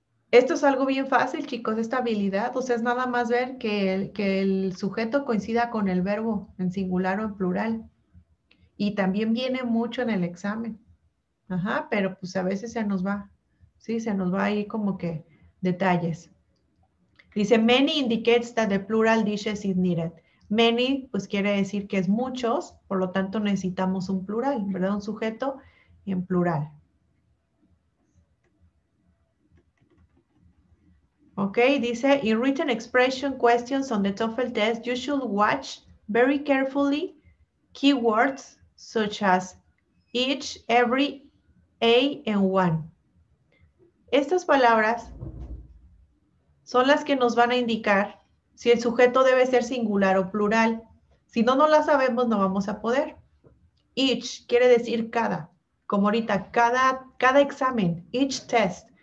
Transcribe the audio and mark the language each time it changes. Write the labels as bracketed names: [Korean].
[Spanish] Esto es algo bien fácil, chicos, esta habilidad. O sea, es nada más ver que el sujeto coincida con el verbo en singular o en plural. Y también viene mucho en el examen. Ajá, pero pues a veces se nos va. Sí, se nos va ahí como que detalles. Dice, [English] many indicates that the plural dishes is needed. [Spanish] Many, pues quiere decir que es muchos, por lo tanto necesitamos un plural, ¿verdad? Un sujeto y en plural. Ok, dice, [English] in written expression questions on the TOEFL test, you should watch very carefully keywords such as each, every, a, and one. [Spanish] Estas palabras son las que nos van a indicar si el sujeto debe ser singular o plural. Si no, no la sabemos, no vamos a poder. Each quiere decir cada, como ahorita, cada examen, [English] each test.